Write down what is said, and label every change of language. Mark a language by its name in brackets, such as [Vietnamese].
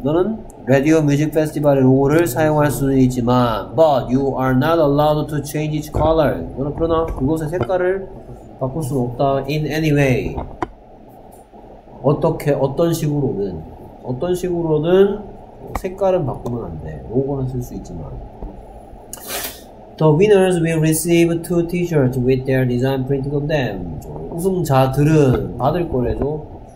[Korean] 너는 Radio Music Festival의 로고를 사용할 수는 있지만 [English] But you are not allowed to change its color. [Korean] 너는 그러나 그곳의 색깔을 바꿀 수는 없다. [English] In any way. [Korean] 어떻게, 어떤 식으로든 어떤 식으로든 색깔은 바꾸면 안 돼. 로고는 쓸 수 있지만. [English] The winners will receive two t-shirts with their design printed on them. [Korean] 우승자들은 받을 거래죠.